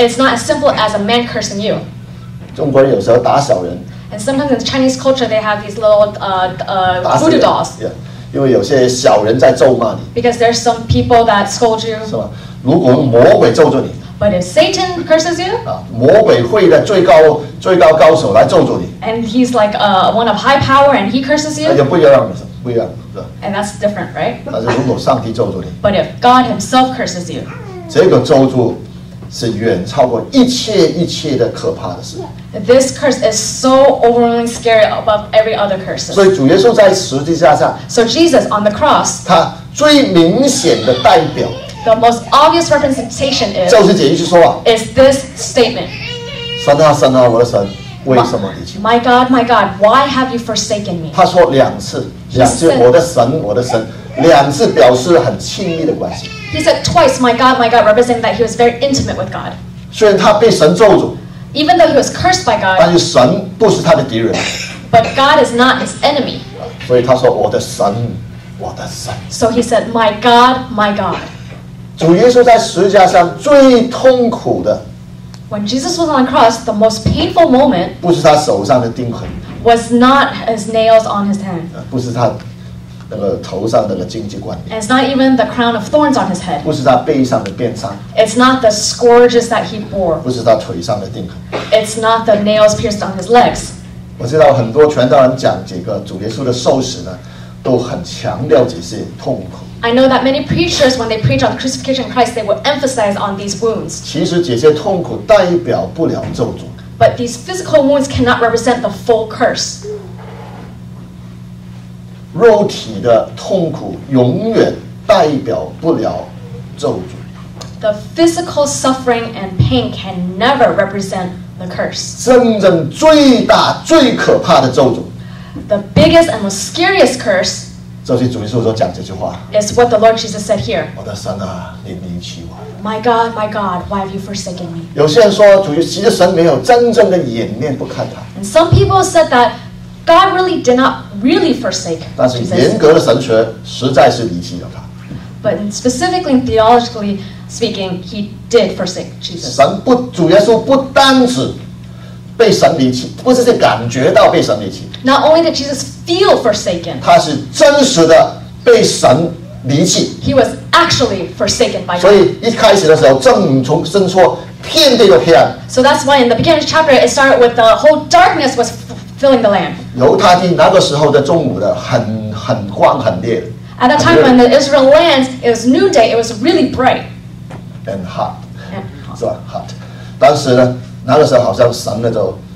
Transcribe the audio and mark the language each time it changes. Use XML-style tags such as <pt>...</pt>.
<en>It's not as simple as a man cursing you.</en> <zh>中国人有时候打小人。</zh> <en>And sometimes in Chinese culture, they have these little voodoo dolls. Yeah.</en> <zh>因为有些小人在咒骂你。</zh> <en>Because there's some people that scold you.</en> <zh>是吗？如果魔鬼咒诅你，</zh> <en>but if Satan curses you,</en> <zh>魔鬼会的最高高手来咒诅你，</zh> <en>and he's like one of high power and he curses you,</en> <zh>也不一样，不一样，</zh> <en>and that's different, right?</en> <zh>但是如果上帝咒诅你，</zh> <en>but if God himself curses you,</en> <zh>这个咒诅是远超过一切一切的可怕的事。</zh> <en>This curse is so overwhelmingly scary above every other curses.</en> <zh>所以主耶稣在十字架上，</zh> <en>so Jesus on the cross,</en> <zh>他最明显的代表。</zh> <en>The most obvious representation is,</en> <zh>就是这一句说话，</zh> <en>is this statement.</en> <zh>神啊神啊我的神为什么离弃。</zh> <en>My God, my God, why have you forsaken me?</en> <zh>他说两次，两次我的神我的神，两次表示很亲密的关系。</zh> <en>He said twice, my God, my God, representing that he was very intimate with God.</en> <zh>虽然他被神咒诅，</zh> <en>even though he was cursed by God,</en> <zh>但是神不是他的敌人。</zh> <en>But God is not his enemy.</en> <zh>所以他说我的神我的神。</zh> <en>So he said, my God, my God.</en> <zh>主耶稣在十字架上最痛苦的，</zh> <en>When Jesus was on the cross, the most painful moment,</en> <zh>不是他手上的钉痕，</zh> <en>was not his nails on his hand,</en> <zh>不是他那个头上的那个荆棘冠冕，</zh> <en>and it's not even the crown of thorns on his head,</en> <zh>不是他背上的鞭伤，</zh> <en>it's not the scourges that he bore,</en> <zh>不是他腿上的钉痕，</zh> <en>it's not the nails pierced on his legs.</en> <zh>我知道很多传道人讲这个主耶稣的受死呢，都很强调这些痛苦。</zh> <en>I know that many preachers, when they preach on the crucifixion of Christ, they will emphasize on these wounds.</en> <zh>其实这些痛苦代表不了咒诅。</zh> <en>But these physical wounds cannot represent the full curse.</en> <zh>肉体的痛苦永远代表不了咒诅。</zh> <en>The physical suffering and pain can never represent the curse.</en> <zh>真正最大最可怕的咒诅。</zh> <en>The biggest and most scariest curse.</en> <zh>就是主耶稣所讲这句话。</zh> <en>It's what the Lord Jesus said here.</en> <zh>我的神啊，你离弃我。</zh> <en>My God, my God, why have you forsaken me?</en> <zh>有些人说主耶稣其实神没有真正的掩面不看他。</zh> <en>And some people said that God really did not really forsake Jesus.</en> <zh>但是严格的神学实在是离弃了他。</zh> <en>But specifically, theologically speaking, he did forsake Jesus.</en> <zh>神不，主耶稣不单止被神离弃，不是感觉到被神离弃。</zh> <en>Not only did Jesus feel forsaken,</en> <zh>他是真实的被神离弃。</zh> <en>He was actually forsaken by God.</en> <zh>所以一开始的时候，正从伸出遍地的黑暗。</zh> <en>So that's why in the beginning chapter it started with the whole darkness was filling the land.</en> <zh>犹太地那个时候的中午的很光很烈。</zh> <en>At that time when the Israel lands, it was noonday. It was really bright. And hot.</en> <zh>是吧</zh> <en>？Hot.</en> <zh>当时呢，那个时候好像神那种。</zh>